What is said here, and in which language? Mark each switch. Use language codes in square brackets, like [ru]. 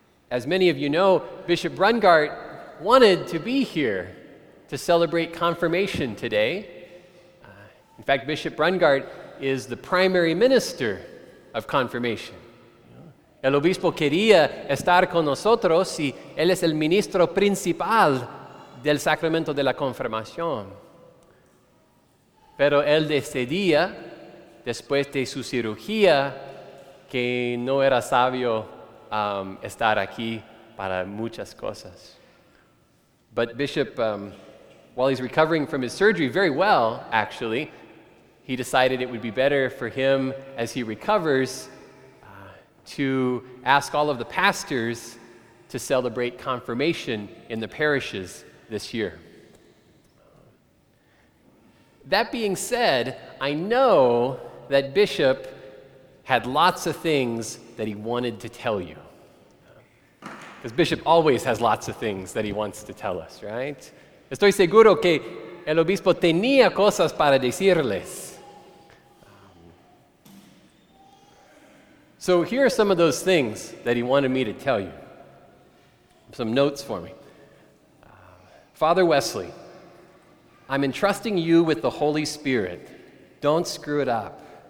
[en] As many of you know, Bishop Rungart wanted to be here to celebrate confirmation today. In fact, Bishop Rungart is the primary minister of confirmation. [es] El obispo quería estar con nosotros y él es el ministro principal del sacramento de la confirmación. Pero él decidía, después de su cirugía, que no era sabio estar aquí para muchas cosas. [en] But Bishop, while he's recovering from his surgery, very well, actually, he decided it would be better for him, as he recovers, to ask all of the pastors to celebrate confirmation in the parishes this year. That being said, I know that Bishop had lots of things that he wanted to tell you. Because Bishop always has lots of things that he wants to tell us, right? [es] Estoy seguro que el obispo tenía cosas para decirles. [en] So here are some of those things that he wanted me to tell you. Some notes for me. Father Wesley, I'm entrusting you with the Holy Spirit. Don't screw it up.